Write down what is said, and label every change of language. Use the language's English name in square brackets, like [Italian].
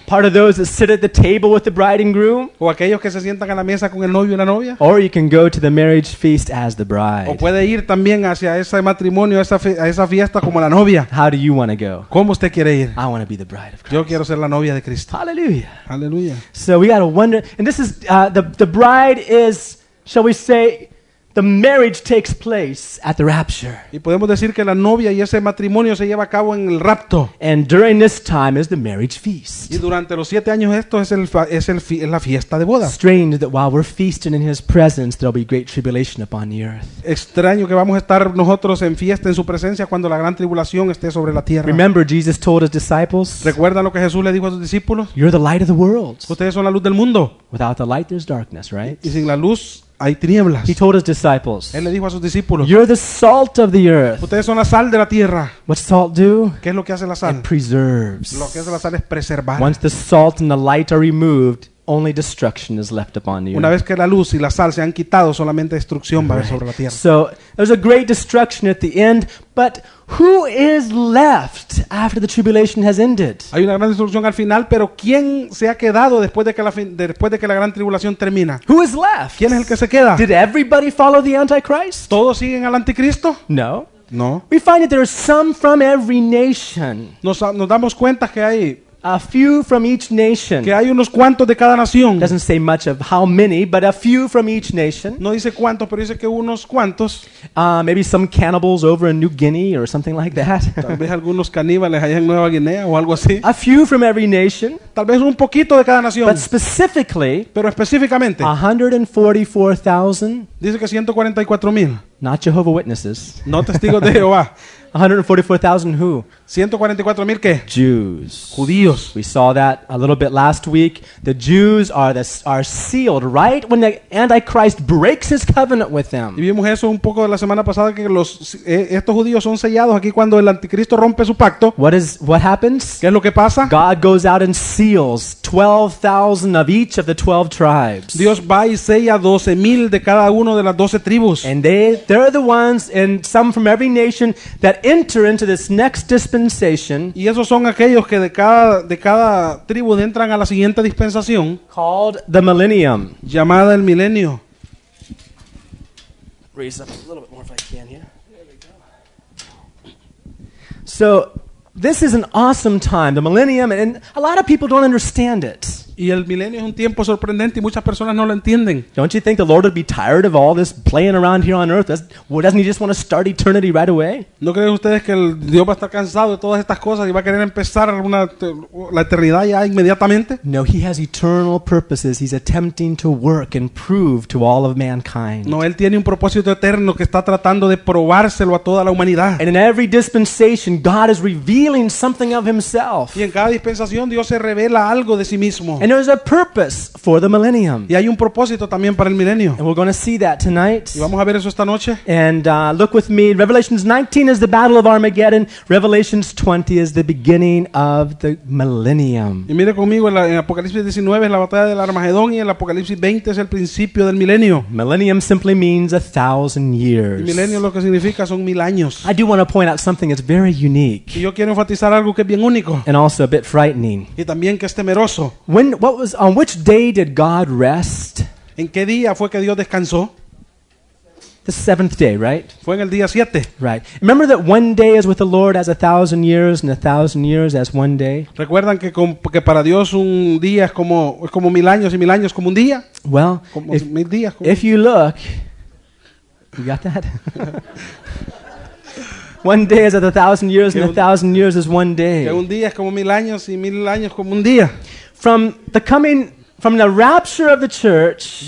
[English] Part of those that sit at the table with the bride and groom. [Spanish] O aquellos que se sientan a la mesa con el novio y la novia. [English] Or you can go to the marriage feast as the bride. [Spanish] O puede ir también hacia ese matrimonio, a esa fiesta como la novia. [English] How do you want to go? [Spanish] ¿Cómo usted quiere ir? [English] I want to be the bride of Christ. [Spanish] Yo quiero ser la novia de Cristo. [English] Hallelujah. [Spanish] Hallelujah. [English] So we got to wonder, and this is the bride is. Shall we say the marriage takes place at the rapture? [Spanish] Y podemos decir que la novia y ese matrimonio se lleva a cabo en el rapto. [English] And during this time is the marriage feast. [Spanish] Y durante los 7 años esto es la fiesta de bodas. [English] Strange that while we're feasting in His presence, there'll be great tribulation upon the earth. [Spanish] Extraño que vamos a estar nosotros en fiesta en su presencia cuando la gran tribulación esté sobre la tierra. [English] Remember, Jesus told His disciples. [Spanish] ¿Recuerdan lo que Jesús le dijo a sus discípulos? [English] You're the light of the world. [Spanish] Ustedes son la luz del mundo. [English] Without the light, there's darkness, right? [Spanish] Y sin la luz hay tinieblas. [English] He told his disciples. [Spanish] Él le dijo a sus discípulos. [English] You're the salt of the earth. [Spanish] Ustedes son la sal de la tierra. [English] What salt do? [Spanish] ¿Qué es lo que hace la sal? [English] It preserves. [Spanish] Lo que hace la sal es preservar. [English] Once the salt and the light are removed, only destruction is left upon you. [Spanish] Una vez que la luz y la sal se han quitado, solamente destrucción va a haber sobre la tierra. [English] So there's a great destruction at the end, but who is left after the tribulation has ended? [Spanish] Hay una gran destrucción al final, pero ¿quién se ha quedado después de que la gran tribulación termina? [English] Who is left? [Spanish] ¿Quién es el que se queda? [English] Did everybody follow the Antichrist? [Spanish] ¿Todos siguen al anticristo? [English] No. [Spanish] No. [English] We find that there are some from every nation. [Spanish] Nos damos cuenta que hay [English] A few from each nation. [Spanish] Que hay unos cuantos de cada nación. [English] Doesn't say much of how many, but a few from each nation. [Spanish] No dice cuántos, pero dice que unos cuantos. [English] Maybe some cannibals over in New Guinea or something like that. [Spanish] Tal vez algunos caníbales allá en Nueva Guinea o algo así. [English] A few from every nation. [Spanish] Tal vez un poquito de cada nación. [English] But specifically, [Spanish] pero específicamente, [English] 144,000. [Spanish] Dice que 144,000. [English] Not Jehovah's Witnesses. [Spanish] No testigos de Jehová. [English] 144,000 who? Jews. [Spanish] Judíos. [English] We saw that a little bit last week. The Jews are sealed right when the Antichrist breaks his covenant with them. [Spanish] Y vimos eso un poco la semana pasada que los estos judíos son sellados aquí cuando el anticristo rompe su pacto. [English] What happens? [Spanish] ¿Qué es lo que pasa? [English] God goes out and seals 12,000 of each of the 12 tribes. [Spanish] Dios va y sella 12,000 de cada uno de las 12 tribus. [English] And they're the ones, and some from every nation that enter into this next dispensation. [Spanish] Y esos son aquellos que de cada tribu entran a la siguiente dispensación. [English] Called the millennium. [Spanish] Llamada el milenio. [English] Raise up a little bit more if I can here. There we go. So this is an awesome time, the millennium, and a lot of people don't understand it. [Spanish] Y el milenio es un tiempo sorprendente y muchas personas no lo entienden. [English] Don't you think the Lord would be tired of all this playing around here on earth? Doesn't he just want to start eternity right away? [Spanish] ¿No creen ustedes que el Dios va a estar cansado de todas estas cosas y va a querer empezar la eternidad ya inmediatamente? [English] No, he has eternal purposes. He's attempting to work and prove to all of mankind. [Spanish] No, él tiene un propósito eterno que está tratando de probárselo a toda la humanidad. [English] And in every dispensation, God is revealing something of himself. [Spanish] Y en cada dispensación Dios se revela algo de sí mismo. [English] And there's a purpose for the millennium. [Spanish] Y hay un propósito también para el milenio. [English] And we're going to see that tonight. [Spanish] Y vamos a ver eso esta noche. [English] And look with me. Revelations 19 is the battle of Armageddon. Revelations 20 is the beginning of the millennium. [Spanish] Y mire conmigo, en Apocalipsis 19 es la batalla del Armagedón y en Apocalipsis 20 es el principio del milenio. [English] Millennium simply means 1,000 years. [Spanish] El milenio lo que significa son 1,000 años. [English] I do want to point out something that's very unique. [Spanish] Y yo quiero enfatizar algo que es bien único. [English] And also a bit frightening. [Spanish] Y también que es temeroso. [English] On which day did God rest? [Spanish] ¿En qué día fue que Dios descansó? [English] The seventh day, right? [Spanish] Fue en el día 7. [English] Right. Remember that one day is with the Lord as 1,000 years, and 1,000 years as one day. [Spanish] Recuerdan que para Dios un día es como 1,000 años y 1,000 años como un día. [English] Well, [Spanish] como if, mil días, como... [English] if you look, you got that. One day is 1,000 years, and 1,000 years is one day. [Spanish] Que un día es como 1,000 años y 1,000 años como un día. [English] From the rapture of the church,